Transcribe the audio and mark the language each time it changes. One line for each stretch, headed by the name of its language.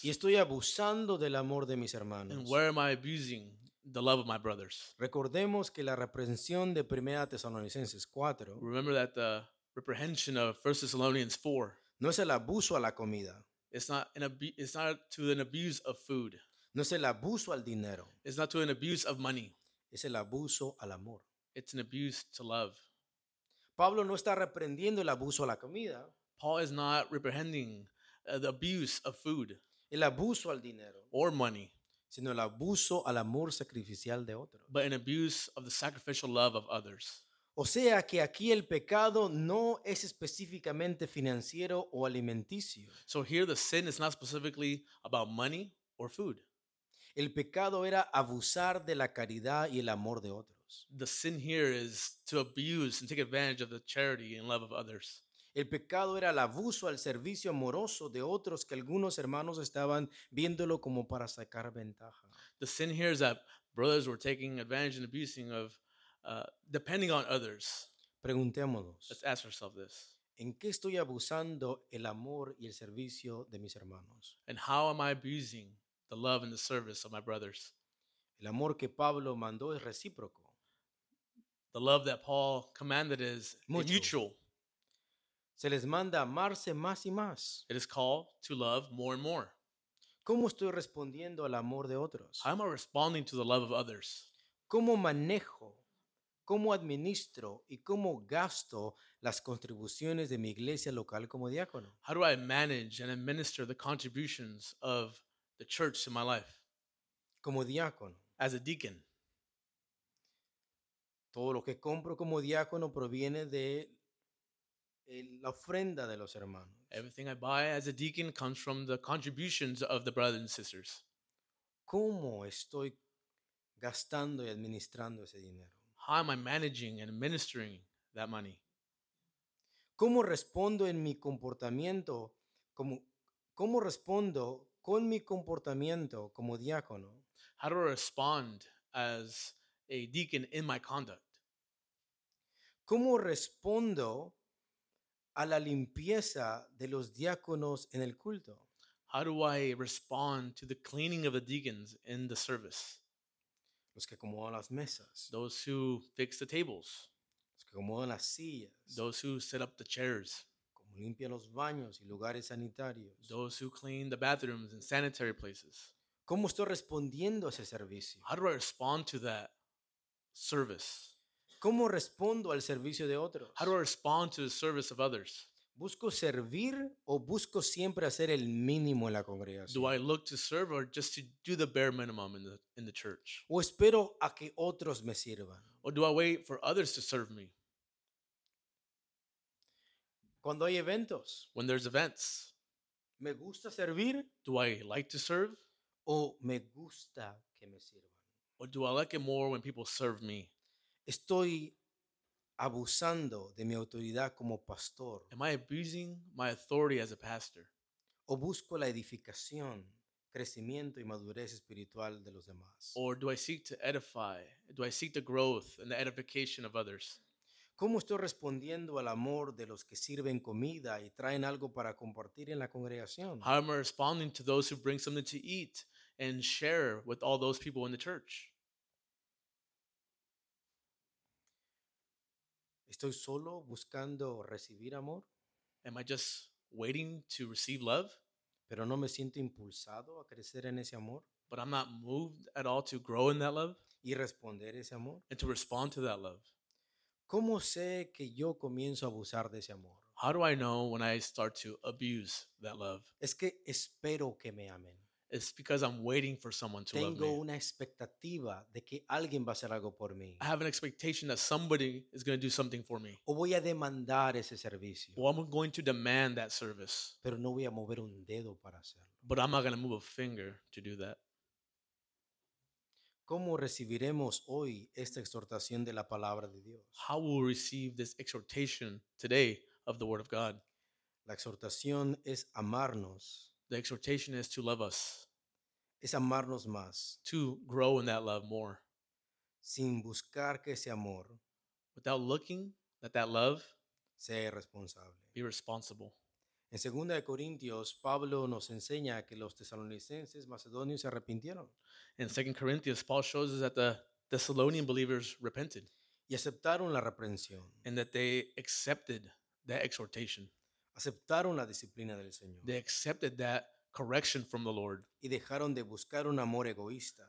Spanish: ¿Y estoy abusando del amor de mis hermanos?
English: And where am I abusing the love of my brothers?
Spanish: Recordemos que la reprensión de 1 Tesalonicenses 4.
English: Remember that the reprehension of 1 Thessalonians 4.
Spanish: No es el abuso a la comida.
English: It's not to an abuse of food.
Spanish: No es el abuso al dinero.
English: It's not to an abuse of money.
Spanish: Es el abuso al amor.
English: It's an abuse to love.
Spanish: Pablo no está reprendiendo el abuso a la comida.
English: Paul is not reprehending the abuse of food.
Spanish: El abuso al dinero.
English: Or money.
Spanish: Sino el abuso al amor sacrificial de otros.
English: But an abuse of the sacrificial love of others.
Spanish: O sea que aquí el pecado no es específicamente financiero o alimenticio.
English: So here the sin is not specifically about money or food.
Spanish: El pecado era abusar de la caridad y el amor de otros.
English: The sin here is to abuse and take advantage of the charity and love of others.
Spanish: El pecado era el abuso al servicio amoroso de otros que algunos hermanos estaban viéndolo como para sacar ventaja.
English: The sin here is that brothers were taking advantage and abusing of depending on others.
Spanish: Preguntémonos.
English: Let's ask ourselves this.
Spanish: ¿En qué estoy abusando el amor y el servicio de mis hermanos?
English: And how am I abusing the love and the service of my brothers?
Spanish: El amor que Pablo mandó es recíproco.
English: The love that Paul commanded is mutual.
Spanish: Se les manda amarse más y más.
English: It is called to love more and more.
Spanish: ¿Cómo estoy respondiendo al amor de otros?
English: How am I responding to the love of others?
Spanish: ¿Cómo manejo, cómo administro y cómo gasto las contribuciones de mi iglesia local como diácono?
English: How do I manage and administer the contributions of the church in my life?
Spanish: Como diácono.
English: As a deacon.
Spanish: Todo lo que compro como diácono proviene de la ofrenda de los hermanos.
English: Everything I buy as a deacon comes from the contributions of the brothers and sisters.
Spanish: ¿Cómo estoy gastando y administrando ese dinero?
English: How am I managing and administering that money?
Spanish: ¿Cómo respondo en mi comportamiento? ¿Cómo respondo con mi comportamiento como diácono?
English: How do I respond as a deacon in my conduct?
Spanish: ¿Cómo respondo a la limpieza de los diáconos en el culto?
English: How do I respond to the cleaning of the deacons in the service?
Spanish: Los que acomodan las mesas.
English: Those who fix the tables.
Spanish: Los que acomodan las sillas.
English: Those who set up the chairs.
Spanish: Como limpian los baños y lugares sanitarios.
English: Those who clean the bathrooms and sanitary places.
Spanish: ¿Cómo estoy respondiendo a ese servicio?
English: How do I respond to that service?
Spanish: ¿Cómo respondo al servicio de otros?
English: How do I respond to the service of others?
Spanish: ¿Busco servir o busco siempre hacer el mínimo en la congregación?
English: Do I look to serve or just to do the bare minimum in the church?
Spanish: ¿O espero a que otros me sirvan?
English: Or do I wait for others to serve me?
Spanish: Cuando hay eventos.
English: When there's events.
Spanish: ¿Me gusta servir?
English: Do I like to serve?
Spanish: ¿O me gusta que me sirvan?
English: Or do I like it more when people serve me?
Spanish: ¿Estoy abusando de mi autoridad como pastor?
English: Am I abusing my authority as a pastor?
Spanish: ¿O busco la edificación, crecimiento y madurez espiritual de los demás?
English: Or do I seek to edify? Do I seek the growth and the edification of others?
Spanish: ¿Cómo estoy respondiendo al amor de los que sirven comida y traen algo para compartir en la congregación?
English: How am I responding to those who bring something to eat and share with all those people in the church?
Spanish: ¿Estoy solo buscando recibir amor?
English: Am I just waiting to receive love?
Spanish: ¿Pero no me siento impulsado a crecer en ese amor?
English: But I'm not moved at all to grow in that love?
Spanish: ¿Y responder ese amor?
English: And to respond to that love.
Spanish: ¿Cómo sé que yo comienzo a abusar de ese amor?
English: How do I know when I start to abuse that love?
Spanish: Es que espero que me amen.
English: It's because I'm waiting for someone to love me.
Spanish: Tengo una expectativa de que alguien va a hacer algo por mí.
English: I have an expectation that somebody is going to do something for me.
Spanish: O voy a demandar ese servicio.
English: Or I'm going to demand that service.
Spanish: Pero no voy a mover un dedo para hacerlo.
English: But I'm not going to move a finger to do that.
Spanish: ¿Cómo recibiremos hoy esta exhortación de la palabra de Dios?
English: How will we receive this exhortation today of the word of God?
Spanish: La exhortación es amarnos.
English: The exhortation is to love us.
Spanish: Es amarnos más.
English: To grow in that love more.
Spanish: Sin buscar que ese amor.
English: Without looking at that love.
Spanish: Sea responsable.
English: Be responsible.
Spanish: En 2 Corintios, Pablo nos enseña que los tesalonicenses macedonios se arrepintieron.
English: In 2 Corinthians, Paul shows us that the Thessalonian believers repented.
Spanish: Y aceptaron la reprensión.
English: And that they accepted that exhortation.
Spanish: Aceptaron la disciplina del Señor.
English: They accepted that correction from the Lord.
Spanish: Y dejaron de buscar un amor egoísta.